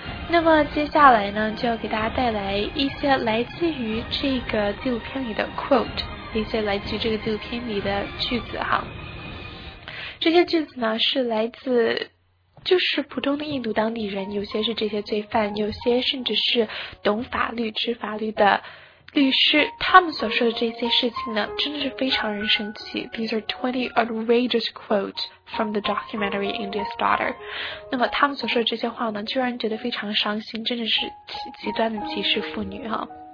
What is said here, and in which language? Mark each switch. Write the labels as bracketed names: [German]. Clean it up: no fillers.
[Chinese] 那么接下来呢，就要给大家带来一些来自于这个纪录片里的 quote， 一些来自于这个纪录片里的句子哈。这些句子呢是来自就是普通的印度当地人，有些是这些罪犯，有些甚至是懂法律、知法律的律师，他们所说的这些事情呢，真的是非常人生气。 [English] These are 20 outrageous quotes from the documentary India's Daughter. [Chinese] 那么他们所说的这些话呢，就让人觉得非常伤心，真的是极端的歧视妇女哈。